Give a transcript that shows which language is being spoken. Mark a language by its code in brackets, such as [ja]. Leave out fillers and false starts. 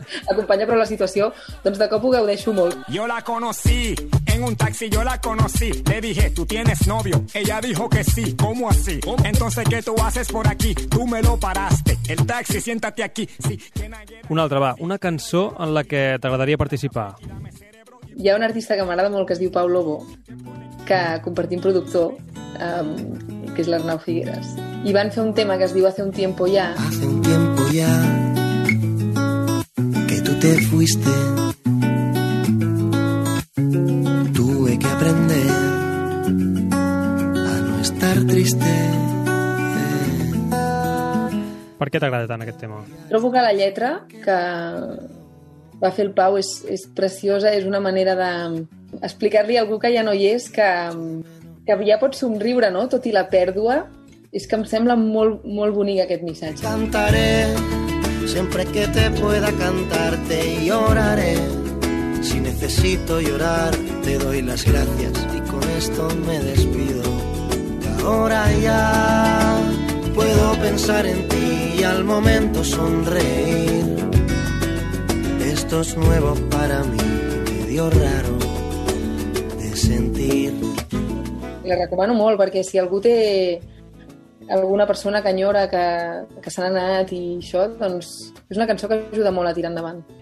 [ca] acompanya prou la situació, doncs de cop ho gaudeixo molt. [es] Yo la conocí en un taxi, yo la conocí. Le dije, tú tienes novio. Ella dijo que sí, ¿cómo así? Entonces, ¿qué tú haces por aquí? Tú me lo paraste. El taxi, siéntate aquí. Sí. [ca] Una altra, va. Una cançó en la que t'agradaria participar. Hi ha un artista que m'agrada molt, que es diu Pau Lobo, que compartim productor, que és l'Arnau Figueres. I van fer un tema que es diu Hace un tiempo ya. [es] Hace un tiempo ya que tú te fuiste. Tuve que aprender a no estar triste. [ca] Per què t'agrada tant aquest tema? Trobo que la lletra que va fer el Pau és preciosa, és una manera d'explicar-li a algú que ja no hi és que ja pot somriure, no? Tot i la pèrdua. És que em sembla molt, molt bonic aquest missatge. [es] Cantaré sempre que te pueda cantarte y lloraré. Si necesito llorar, te doy las gracias y con esto me despido. Ahora ya puedo pensar en ti y al momento sonreír. Esto es nuevo para mí, medio raro de sentir. [ca] La recomano molt perquè si algú té alguna persona que enyora que se n'ha anat i això, doncs és una cançó que ajuda molt a tirar endavant.